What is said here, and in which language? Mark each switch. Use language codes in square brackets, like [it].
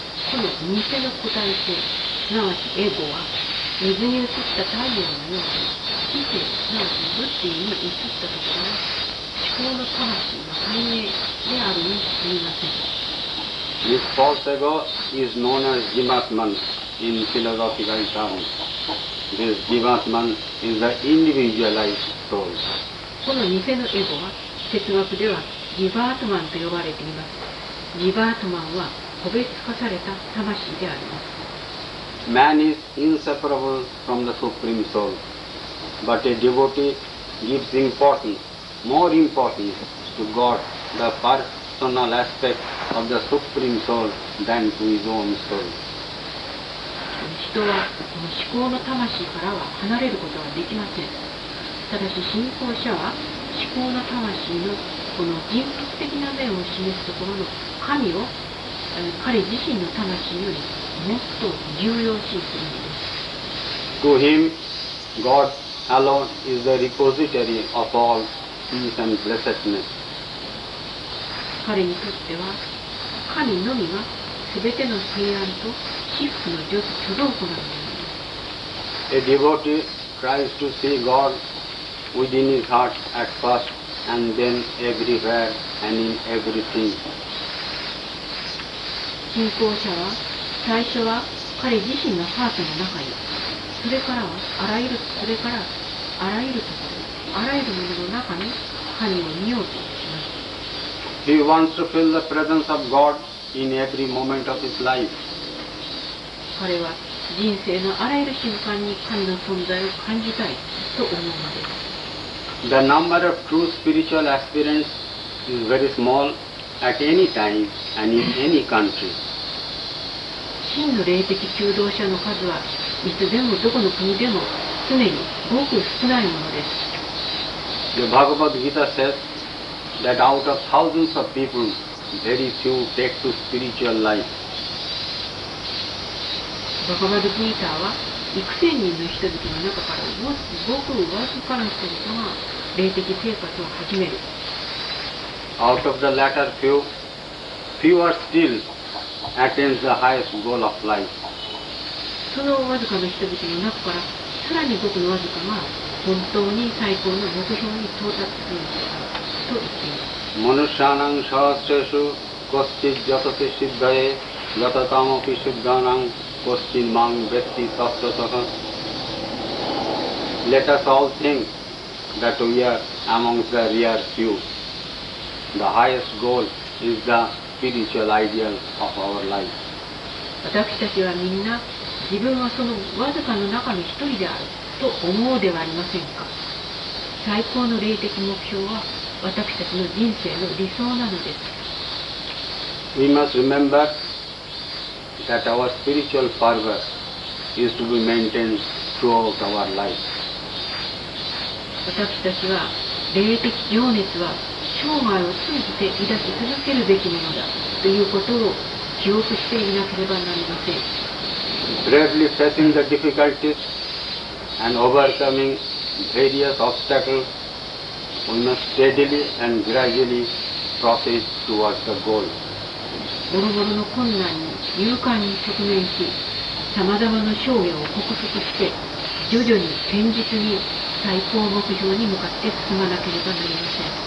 [ja] この偽の個体性、すなわちエゴは、水に映った太陽のように、知性、すなわちブッディに映ったところは、思考の魂の反映であるに過ぎません。 [en] This false ego is known as Jivatman in philosophical terms. This Jivatman is the individualized soul. [ja] この偽のエゴは哲学ではジバートマンと呼ばれています。ジバートマンは個別化された魂であります。 [en] Man is inseparable from the supreme soul. But a devotee gives importance, more importance to God, the first. Personal aspect of the supreme soul than to his own soul. [ja] 人はこの思考の魂からは離れることはできません。ただし信仰者は思考の魂のこの人格的な面を示すところの神を彼自身の魂よりもっと重要視するのです。 [en] To him, God alone is the repository of all peace and blessedness. [ja] 彼にとっては、神のみが全ての平安と至福の貯蔵庫なのです。 [en] A devotee tries to see God within his heart at first and then everywhere and in everything. [ja] 信仰者は、最初は彼自身のハートの中に、それからあらゆるところ、あらゆるものの中に神を見ようとします。 [en] He wants to feel the presence of God in every moment of his life. [ja] 彼は人生のあらゆる瞬間に神の存在を感じたいと思うのです。 [en] The number of true spiritual aspirants is very small at any time and in any country. [ja] 真の霊的求道者の数はいつでもどこの国でも常にごく少ないものです。 [en] The Bhagavad Gita says that out of thousands of people, very few take to spiritual life. [ja] バカバドギーターは、幾千人の人々の中からもごくわずかな人々が霊的生活を始める。 [en] Out of the latter few, fewer still attains the highest goal of life. [ja] そのわずかな人々の中から、さらにごくわずかが本当に最高の目標に到達するのだと言っています。マヌシャナンシャーチェシュ、コスチッジャタテシッダエ、ジャタタマピシッダナン、Question mang vetti sastra saha. [en] Let us all think that we are amongst the rare few. The highest goal is the spiritual ideal of our life. [ja] 私たちはみんな自分はそのわずかの中の一人であると思うではありませんか。最高の霊的目標は私たちの人生の理想なのです。 [en] We must rememberthat our spiritual fervor is to be maintained throughout our life. [ja] 私たちは霊的情熱は生涯を通じて抱き続けるべきものだということを記憶していなければなりません。 [en] Bravely facing the difficulties and overcoming various obstacles, we must steadily and gradually proceed towards the goal. [ja] ボロボロの困難に勇敢に直面し、さまざまな障害を克服して、徐々に堅実に最高目標に向かって進まなければなりません。